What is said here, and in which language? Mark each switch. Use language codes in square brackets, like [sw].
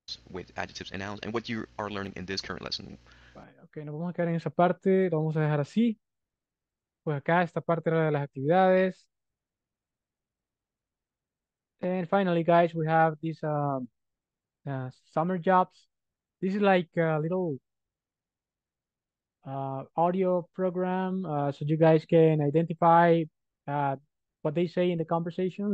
[en] With adjectives and nouns and what you are learning in this current lesson. [es] Vale, okay, nos vamos a quedar en esa parte. Lo vamos a dejar así. Pues acá, esta parte era de las actividades. [en] And finally, guys, we have this summer jobs. This is like a little audio program so you guys can identify what they say in the conversation.